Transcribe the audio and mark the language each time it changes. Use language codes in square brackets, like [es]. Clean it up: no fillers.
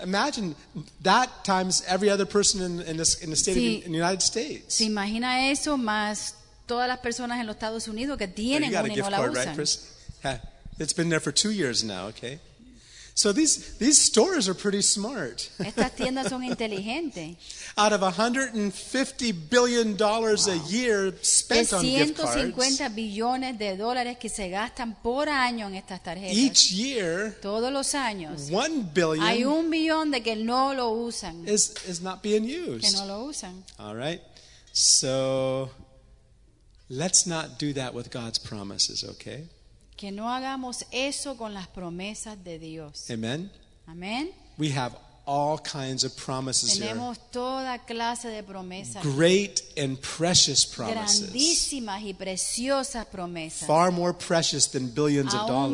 [en] Imagine that times every other person in the United States. [es] Se imagina eso más todas las personas en los Estados Unidos que tienen una y no la usan. [en] You got a gift card, right, Chris? It's been there for 2 years now, okay? So these stores are pretty smart. [es] Estas tiendas son inteligentes. [en] Out of $150 billion a year spent on gift cards. [es] 150 billones de dólares que se gastan por año en estas tarjetas. [en] Each year. [es] Todos los años. [en] $1 billion. [es] Hay un billón de que no lo usan. [en] Is not being used. [es] Que no lo usan. [en] All right. So let's not do that with God's promises, okay? [es] Que no hagamos eso con las promesas de Dios. Amen. Amen. [en] We have all kinds of promises [es] Tenemos [en] here. [es] Tenemos toda clase de promesas. [en] Great and precious promises. [es] Grandísimas y preciosas promesas. [en] Far more precious than billions of dollars.